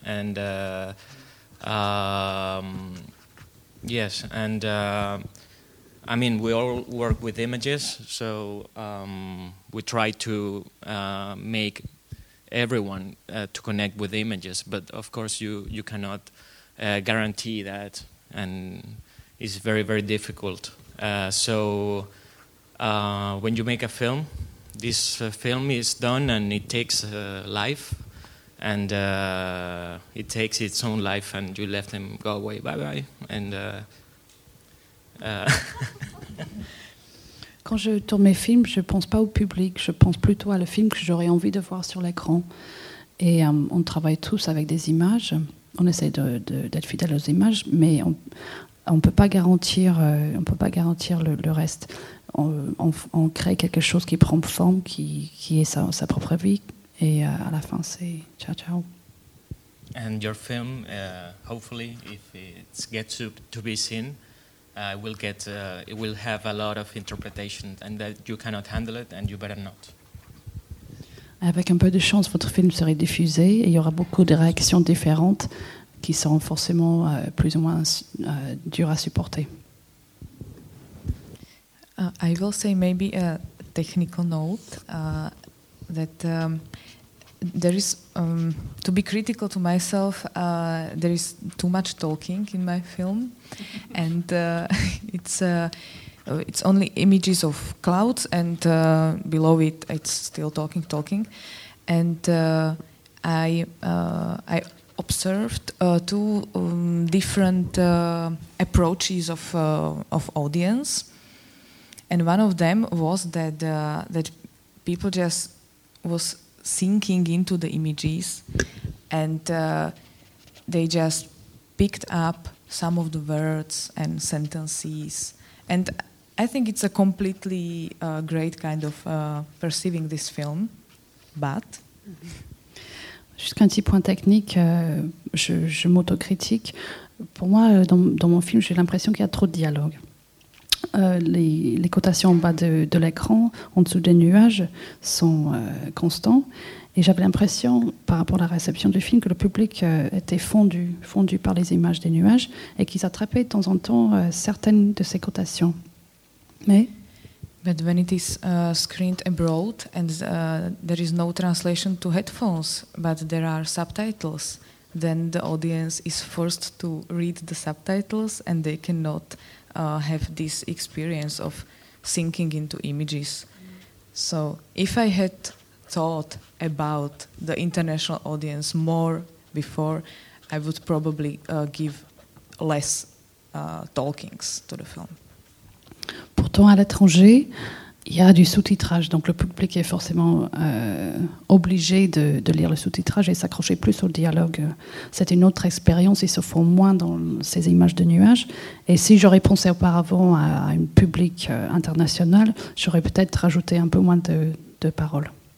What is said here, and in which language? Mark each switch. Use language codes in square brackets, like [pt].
[en] And yes, and I mean, we all work with images, so we try to make everyone to connect with images, but of course you cannot guarantee that, and it's very, very difficult. When you make a film, this film is done and it takes a life, and it takes its own life, and you let them go away, bye-bye. And [fr] quand je tourne mes films, je ne pense pas au public, je pense plutôt à le film que j'aurais envie de voir sur l'écran. Et on travaille tous avec des images, on essaie d'être fidèle aux images, mais on peut pas garantir le reste. On crée quelque chose qui prend forme, qui est sa propre vie. Et à la fin, c'est [it] ciao, ciao. [en] And your film, hopefully, if it gets to be seen, it will have a lot of interpretation, and that you cannot handle it, and you better not. [fr] Avec un peu de chance, votre film serait diffusé, et il y aura beaucoup de réactions différentes qui seront forcément plus ou moins dures à supporter. [en] I will say maybe a technical note that... there is to be critical to myself, there is too much talking in my film, and it's only images of clouds, and below it it's still talking, and I observed two different approaches of audience, and one of them was that people just was sinking into the images, and they just picked up some of the words and sentences, and I think it's a completely great kind of perceiving this film. But [fr] juste un petit point technique, je m'autocritique. Pour moi, dans mon film, j'ai l'impression qu'il y a trop de dialogue. les cotations en bas de l'écran, en dessous des nuages, sont constants. Et j'avais l'impression, par rapport à la réception du film, que le public était fondu par les images des nuages et qu'ils attrapaient de temps en temps certaines de ces cotations. Mais [en] But when it is screened abroad and there is no translation to headphones, but there are subtitles, then the audience is forced to read the subtitles and they cannot have this experience of sinking into images. So if I had thought about the international audience more before, I would probably give less talkings to the film. [fr] Pourtant, à l'étranger, il y a du sous-titrage, donc le public est forcément obligé de lire le sous-titrage et s'accrocher plus au dialogue. C'est une autre expérience, ils se font moins dans ces images de nuages. Et si j'aurais pensé auparavant à un public international, j'aurais peut-être rajouté un peu moins de paroles.